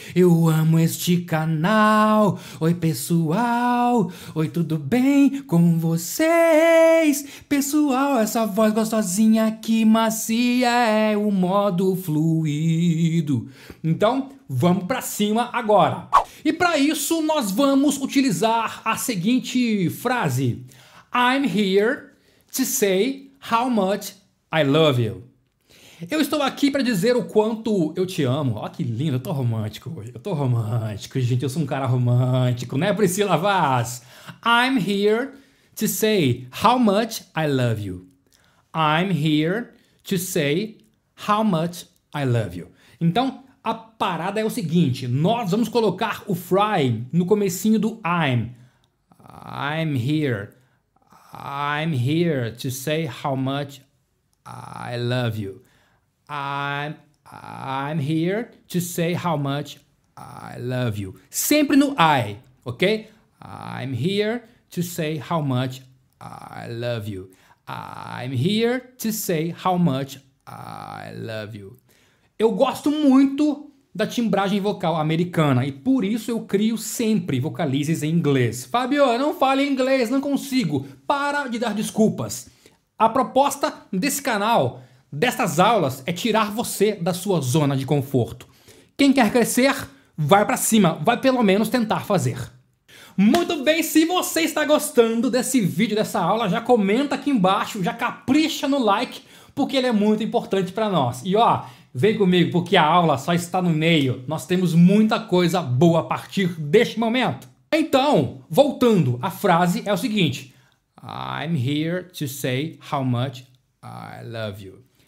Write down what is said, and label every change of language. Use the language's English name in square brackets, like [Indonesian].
[Portuguese] Eu amo este canal. Oi pessoal, oi, tudo bem com vocês? Pessoal, essa voz gostosinha aqui, macia, é o modo fluido. Então, vamos pra cima agora. E pra isso, nós vamos utilizar a seguinte frase. [English] I'm here to say how much I love you. [Portuguese] Eu estou aqui para dizer o quanto eu te amo. Olha que lindo, eu tô romântico hoje. Eu tô romântico, gente. Eu sou um cara romântico, né, Priscila Vaz? [English] I'm here to say how much I love you. I'm here to say how much I love you. [Portuguese] Então, a parada é o seguinte. Nós vamos colocar o fry no comecinho do I'm. [English] I'm here. I'm here to say how much I love you. I'm here to say how much I love you. [Portuguese] Sempre no I, ok? [English] I'm here to say how much I love you. I'm here to say how much I love you. [Portuguese] Eu gosto muito da timbragem vocal americana e por isso eu crio sempre vocalizes em inglês. Fabio, eu não falo inglês, não consigo. Para de dar desculpas. A proposta desse canal, dessas aulas, é tirar você da sua zona de conforto. Quem quer crescer, vai pra cima, vai pelo menos tentar fazer. Muito bem, se você está gostando desse vídeo, dessa aula, já comenta aqui embaixo, já capricha no like, porque ele é muito importante pra nós. E ó, vem comigo, porque a aula só está no meio. Nós temos muita coisa boa a partir deste momento. Então, voltando, a frase é o seguinte. [English] I'm here to say how much I love you.